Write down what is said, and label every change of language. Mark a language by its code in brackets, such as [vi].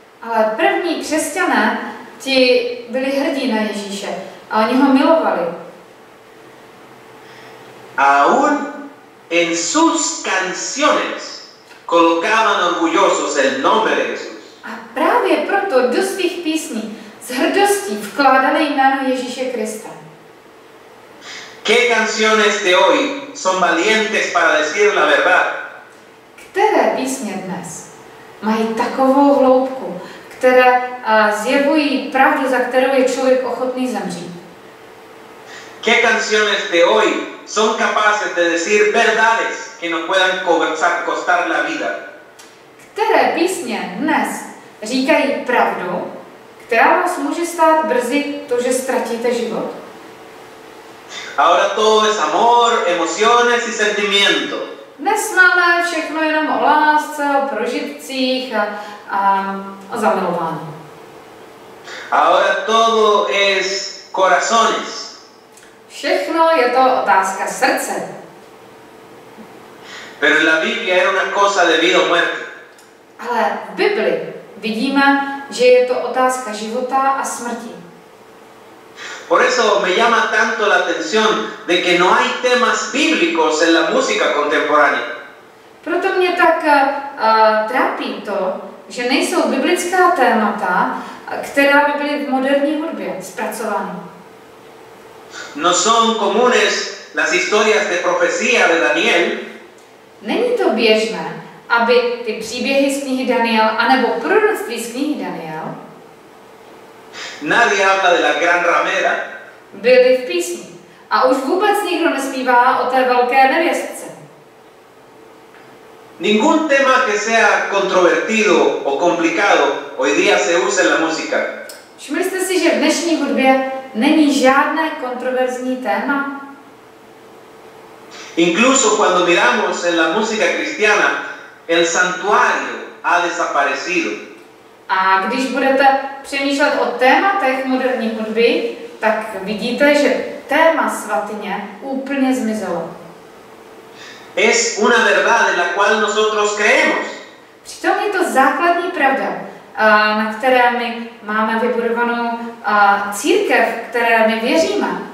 [cs] Ale první křesťané, ti byli hrdí na Ježíše a oni ho milovali. [es] Aún en sus canciones colocaban orgullosos el nombre de Jesús. [cs] A právě proto do svých písní s hrdostí vkládali jméno Ježíše Krista. [es] ¿Qué canciones de hoy son valientes para decir la verdad? [cs] Které písně dnes mají takovou hloubku, které zjevují pravdu, za kterou je člověk ochotný zemřít? [es] ¿Qué canciones de hoy son capaces de decir verdades que nos puedan costar la vida? [cs] Které písně dnes říkají pravdu, která vás může stát brzy to, že ztratíte život? [es] Ahora todo es amor, emociones y sentimiento. [cs] Dnes máme všechno jenom o lásce, o prožitcích a zamilování. [es] Ahora todo es corazones. [cs] Všechno je to otázka srdce. [es] Pero en la Biblia era una cosa de vida o muerte. [cs] Ale v Bibli vidíme, že je to otázka života a smrti. [es] Por eso me llama tanto la atención de que no hay temas bíblicos en la música contemporánea. [cs] Proto mě tak trápí to, že nejsou biblická témata, která by byly v moderní hudbě zpracovány. [es] No son comunes las historias de profecía de Daniel. [cs] Není to běžné, aby ty příběhy z knihy Daniel anebo proroctví z knihy Daniel. [es] Nadie habla de la gran ramera. [cs] Byli v písni. A už vůbec nikdo nespívá o té velké nevěstce. [es] Ningún tema que sea controvertido o complicado hoy día se usa en la música. [cs] Všimli jste si, že v dnešní hudbě není žádné kontroverzní téma? [es] Incluso cuando miramos en la música cristiana, el santuario ha desaparecido. [cs] A když budete přemýšlet o tématech moderní hudby, tak vidíte, že téma svatyně úplně zmizelo. [es] Es una verdad en la cual nosotros creemos. [cs] Přitom je to základní pravda, na které my máme vybudovanou církev, které my věříme.